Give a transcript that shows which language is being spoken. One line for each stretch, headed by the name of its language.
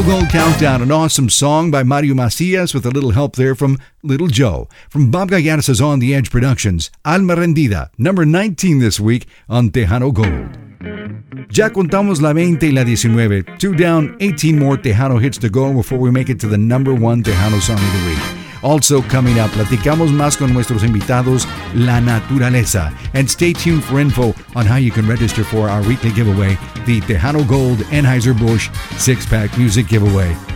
English: Tejano Gold Countdown, an awesome song by Mario Macias with a little help there from Little Joe. From Bob Gallanes' On the Edge Productions, Alma Rendida, number 19 this week on Tejano Gold.
Spanish: Ya contamos la 20 y la 19.
English: Two down, 18 more Tejano hits to go before we make it to the number one Tejano song of the week. Also coming up,
Spanish: platicamos más con nuestros invitados, La Naturaleza.
English: And stay tuned for info on how you can register for our weekly giveaway, the Tejano Gold Anheuser-Busch six-pack music giveaway.